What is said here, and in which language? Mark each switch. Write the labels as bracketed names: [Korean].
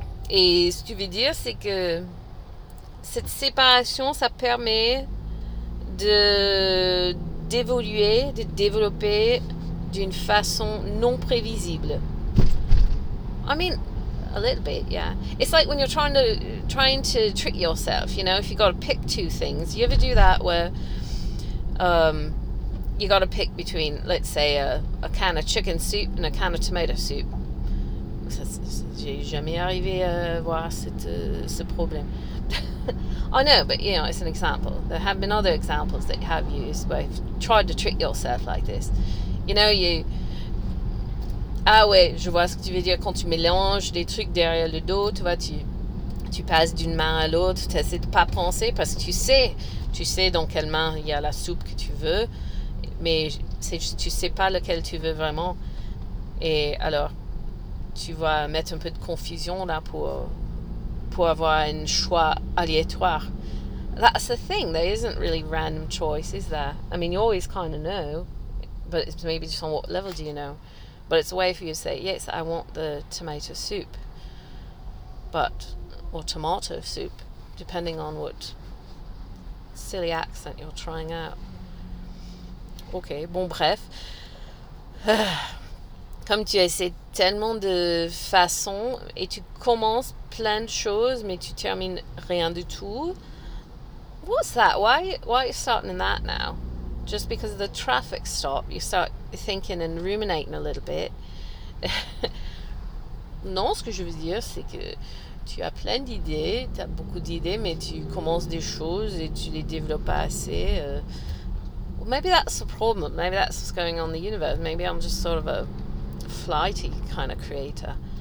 [French] Et ce que tu veux dire, c'est que cette séparation, ça permet d'évoluer, de développer d'une façon non prévisible. [English] I mean, a little bit, yeah. It's like when you're trying to trick yourself, you know, if you've got to pick two things. You ever do that where you got to pick between, let's say, a can of chicken soup and a can of tomato soup. [French] J'ai jamais arrivé à voir ce problème. [English] I know, but, you know, it's an example. There have been other examples that you have used where you've tried to trick yourself like this. You know, you... [French] Ah ouais, je vois ce que tu veux dire. Quand tu mélanges des trucs derrière le dos, tu vois, tu passes d'une main à l'autre, tu essaies de pas penser parce que tu sais dans quelle main il y a la soupe que tu veux. Mais c'est juste, tu sais pas lequel tu veux vraiment. Et alors, tu vas mettre un peu de confusion là pour avoir un choix aléatoire. [English] That's the thing. There isn't really random choice, is there? I mean, you always kind of know. But it's maybe just on what level do you know? But it's a way for you to say, yes, I want the tomato soup. But, or tomato soup, depending on what silly accent you're trying out. [French] Ok, bon, bref. Comme tu as essayé tellement de façons et tu commences plein de choses, mais tu termines rien du tout. [English] What's that? Why are you starting in that now? Just because of the traffic stop, you start thinking and ruminating a little bit. [French] Non, ce que je veux dire, c'est que tu as plein d'idées, tu as beaucoup d'idées, mais tu commences des choses et tu les développes pas assez. [English] Maybe that's the problem. Maybe that's what's going on in the universe. Maybe I'm just sort of a flighty kind of creator.